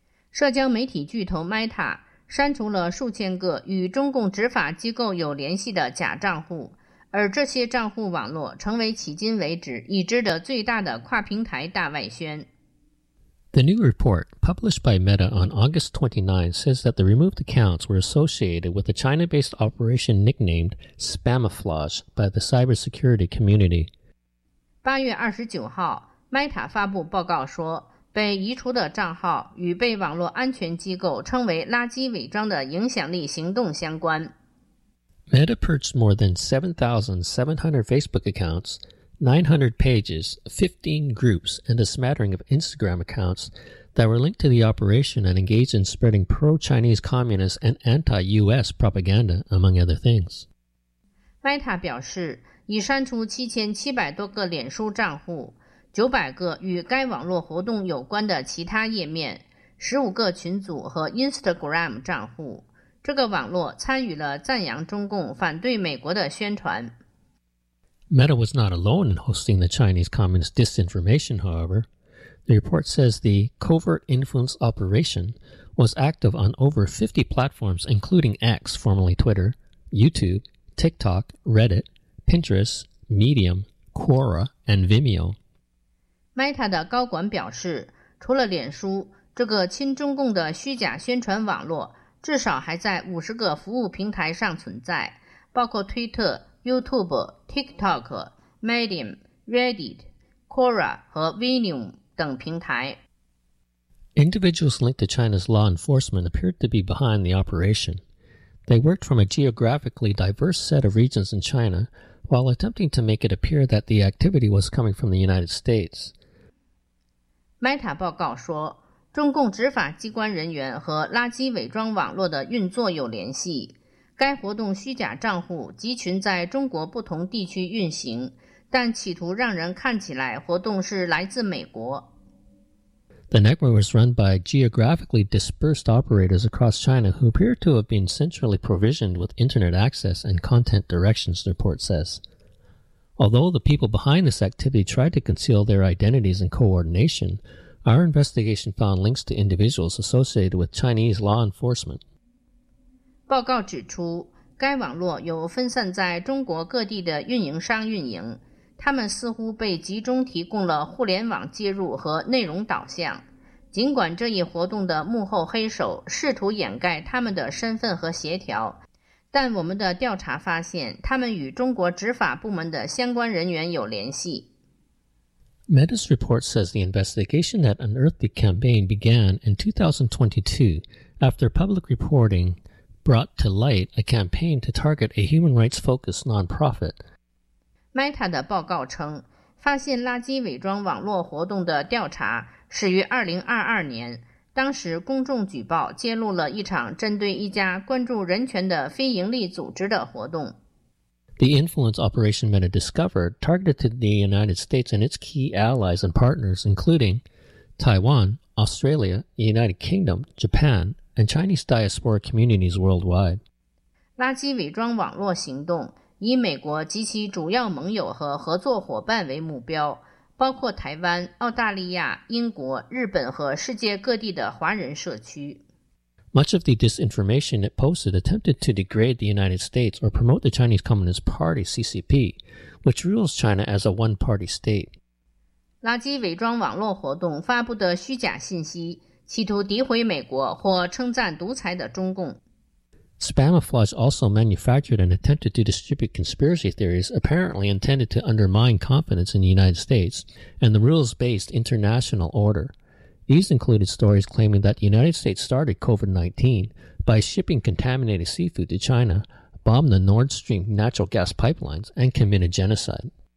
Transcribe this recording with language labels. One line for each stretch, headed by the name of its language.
Chinese: 社交媒体巨头 Meta 删除了数千个与中共执法机构有联系的假账户，而这些账户网络成为迄今为止已知的最大的跨平台大外宣。
English: The new report, published by Meta on August 29, says that the removed accounts were associated with a China-based operation nicknamed Spamouflage by the cybersecurity community.
Chinese: 8月29号 ,Meta 发布报告说，被移除的账号与被网络安全机构称为垃圾伪装的影响力行动相关。
English: Meta purged more than 7,700 Facebook accounts, 900 pages, 15 groups, and a smattering of Instagram accounts that were linked to the operation and engaged in spreading pro-Chinese communist and anti-US propaganda, among other things.
Chinese: Meta 表示，已删除7700多个脸书账户，900个与该网络活动有关的其他页面，15个群组和 Instagram 账户。这个网络参与了赞扬中共、反对美国的宣传。
English: Meta was not alone in hosting the Chinese communist disinformation, however. The report says the covert influence operation was active on over 50 platforms, including X, formerly Twitter, YouTube, TikTok, Reddit, Pinterest, Medium, Quora, and Vimeo.
Chinese: Meta 的高管表示，除了脸书，这个亲中共的虚假宣传网络至少还在50个服务平台上存在，包括推特、YouTube、TikTok、Medium、Reddit、Quora 和 Vimeo 等平台。
English: Individuals linked to China's law enforcement appeared to be behind the operation. They worked from a geographically diverse set of regions in China, while attempting to make it appear that the activity was coming from the United States.
Chinese: Meta 报告说，中共执法机关人员和垃圾伪装网络的运作有联系。该活动虚假账户集群在中国不同地区运行，但企图让人看起来活动是来自美国。
English: The network was run by geographically dispersed operators across China who appear to have been centrally provisioned with internet access and content directions, the report says. Although the people behind this activity tried to conceal their identities and coordination,Our investigation found links to individuals associated with Chinese law enforcement.
Chinese: 报告指出，该网络有分散在中国各地的运营商运营，他们似乎被集中提供了互联网接入和内容导向。尽管这一活动的幕后黑手试图掩盖他们的身份和协调，但我们的调查发现，他们与中国执法部门的相关人员有联系。
English: Meta's report says the investigation that unearthed the campaign began in 2022 after public reporting brought to light a campaign to target a human rights-focused nonprofit.
Chinese: Meta 的报告称，发现垃圾伪装网络活动的调查始于2022年，当时公众举报揭露了一场针对一家关注人权的非营利组织的活动。
English: The influence operation Meta discovered targeted the United States and its key allies and partners, including Taiwan, Australia, the United Kingdom, Japan, and Chinese diaspora communities worldwide.
Chinese: 垃圾伪装网络行动以美国及其主要盟友和合作伙伴为目标，包括台湾、澳大利亚、英国、日本和世界各地的华人社区。
English: Much of the disinformation it posted attempted to degrade the United States or promote the Chinese Communist Party, CCP, which rules China as a one-party state.
Chinese: 垃圾伪装网络活动发布的虚假信息企图诋毁美国或称赞独裁的中共。
English: Spamouflage also manufactured and attempted to distribute conspiracy theories apparently intended to undermine confidence in the United States and the rules-based international order. These included stories claiming that the United States started COVID-19 by shipping contaminated seafood to China, bombed the Nord Stream natural gas pipelines, and committed genocide.